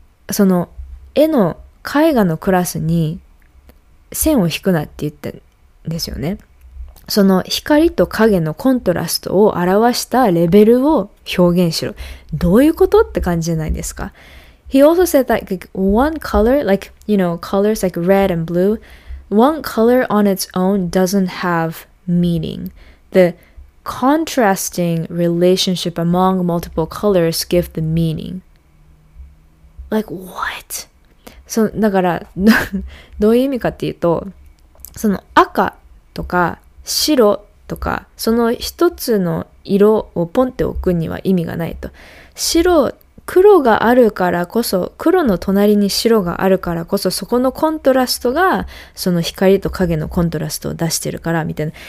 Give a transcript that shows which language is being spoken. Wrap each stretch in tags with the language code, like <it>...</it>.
<ja>その絵の絵画のクラスに線を引くなって言ったんですよね。その光と影のコントラストを表したレベルを表現しろ。どういうこと? って感じじゃないですか。</ja> <en>He also said that one color, like, you know, colors like red and blue, one color on its own doesn't have meaning. The contrasting relationship among multiple colors give the meaning. Like, what? So,</en> <ja>だから、どういう意味かっていうと、その赤とか白とか、その一つの色をポンって置くには意味がないと。白黒があるからこそ、黒の隣に白があるからこそ、そこのコントラストが、その光と影のコントラストを出してるから、みたいな。</ja>